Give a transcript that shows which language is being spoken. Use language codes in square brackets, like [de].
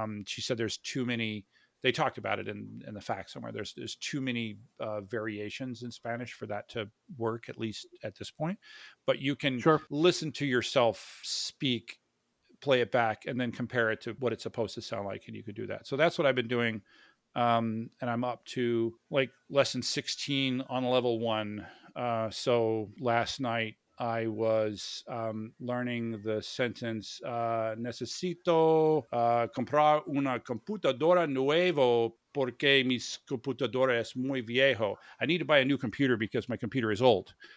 [en] She said there's too many, they talked about it in the fact somewhere, there's too many variations in Spanish for that to work, at least at this point. But you can sure. listen to yourself speak, play it back, and then compare it to what it's supposed to sound like, and you could do that. So that's what I've been doing. And I'm up to like lesson 16 on level one. So last night I was learning the sentence, [es] necesito comprar una computadora nuevo porque mi computadora es muy viejo. [en] I need to buy a new computer because my computer is old.